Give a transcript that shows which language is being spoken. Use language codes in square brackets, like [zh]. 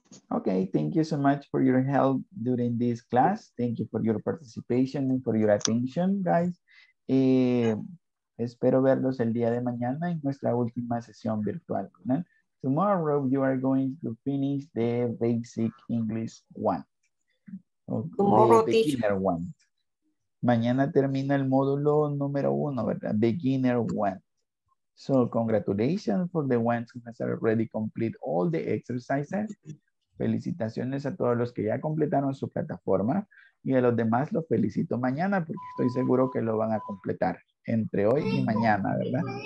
[en] Okay, thank you so much for your help during this class. Thank you for your participation and for your attention, guys. [es] Espero verlos el día de mañana en nuestra última sesión virtual. ¿No? [en] Tomorrow you are going to finish the basic English one. Tomorrow, the beginner one. [es] Mañana termina el módulo número uno, ¿verdad? [en] Beginner one. So, congratulations for the ones who have already completed all the exercises. [es] Felicitaciones a todos los que ya completaron su plataforma y a los demás los felicito mañana porque estoy seguro que lo van a completar entre hoy y mañana, ¿verdad?